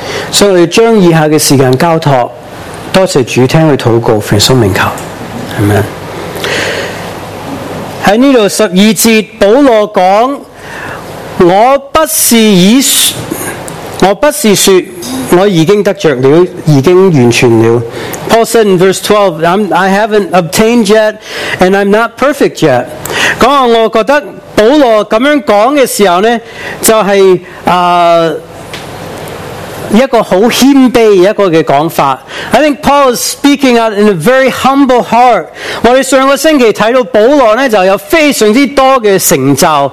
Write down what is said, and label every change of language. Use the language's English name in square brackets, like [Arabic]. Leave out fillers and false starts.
[Chinese] 所以我们将以下的时间交托，多谢主听他祷告，奉耶稣名求，阿们。在这里十二节，保罗说，我不是说我已经得着了，已经完全了。 [English] Paul said in verse 12, I haven't obtained yet and I'm not perfect yet。 [Chinese] 我觉得保罗这样说的时候呢，就是一个很谦卑一个的讲法。 [English] I think Paul is speaking out in a very humble heart。 [Chinese] 我们上个星期看到保罗呢，就有非常多的成就。